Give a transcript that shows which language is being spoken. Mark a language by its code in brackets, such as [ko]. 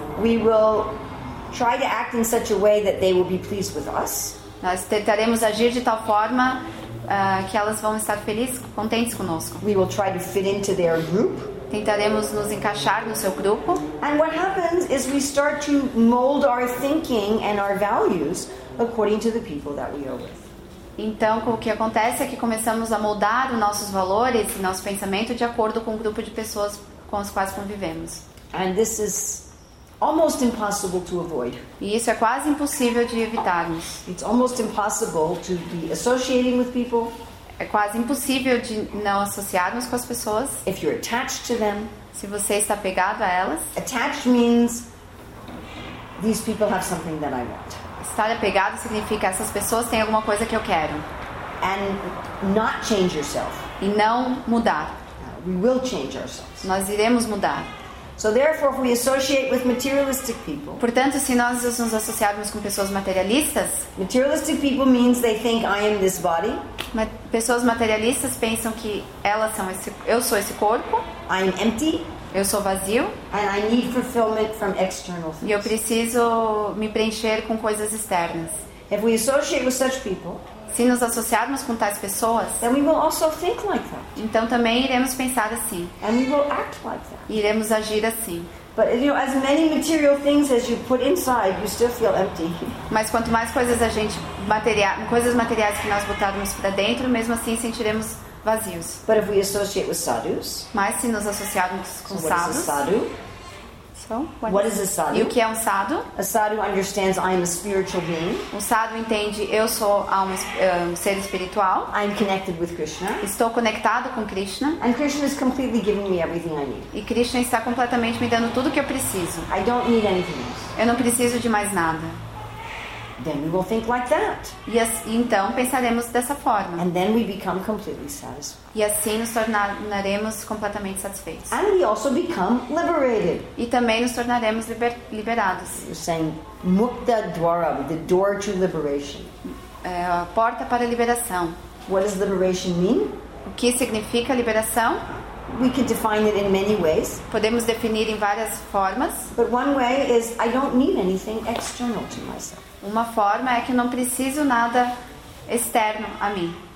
[en] We will try to act in such a way that they will be pleased with us. [pt] Nós tentaremos agir de tal forma que elas vão estar felizes, contentes conosco. [en] We will try to fit into their group. [pt] Tentaremos nos encaixar no seu grupo. [en] And what happens is we start to mold our thinking and our values according to the people that we are with. [pt] Então, o que acontece é que começamos a moldar os nossos valores e nosso pensamento de acordo com o grupo de pessoas com as quais convivemos. [en] And this is almost impossible to avoid. [pt] E isso é quase impossível de evitarmos. [en] It's almost impossible to be associating with people. [pt] É quase impossível de não associarmos com as pessoas. [en] If you're attached to them. [pt] Se você está apegado a elas. [en] Attached means these people have something that I want. [pt] Estar apegado significa essas pessoas têm alguma coisa que eu quero. [en] And not change yourself. [pt] E não mudar. [en] We will change ourselves. [pt] Nós iremos mudar. [en] So therefore, if we associate with materialistic people. [pt] Portanto, se nós nos associarmos com pessoas materialistas. [en] Materialistic people means they think I am this body. [pt] Pessoas materialistas pensam que elas são esse, eu sou esse corpo. [en] I am empty. [pt] Eu sou vazio. [en] And I need fulfillment from external things. [pt] E eu preciso me preencher com coisas externas. [en] If we associate with such people. [pt] Se nos associarmos com tais pessoas, [en] then we will also think like that. [pt] Então também iremos pensar assim. [en] And we will act like that. [pt] E iremos agir assim. [en] But you know, as many material things as you put inside, you still feel empty. [pt] Mas quanto mais coisas a gente coisas materiais que nós botarmos para dentro, mesmo assim sentiremos vazios. [en] But if we associate with sadhus, [pt] mas se nos associarmos com sadhus, [en] what is a sadhu? What is a sadhu? [pt] E o que é sadhu? [en] A sadhu understands I am a spiritual being. [pt] Sadhu entende eu sou um ser espiritual. [en] I am connected with Krishna. [pt] Estou conectado com Krishna. [en] And Krishna is completely giving me everything I need. [pt] E Krishna está completamente me dando tudo que eu preciso. [en] I don't need anything else. [pt] Eu não preciso de mais nada. [en] Then we will think like that. [pt] E assim, então pensaremos dessa forma. [en] And then we become completely satisfied. [pt] E assim nos tornaremos completamente satisfeitos. [en] And we also become liberated. [pt] E também nos tornaremos liberados. [en] You're saying mukta dwara, the door to liberation. [pt] É a porta para a liberação. [en] What does liberation mean? [pt] O que significa liberação? [en] We can define it in many ways. [pt] Podemos definir em várias formas. [en] But one way is I don't need anything external to myself. [pt] Uma forma é que eu não preciso nada externo a mim.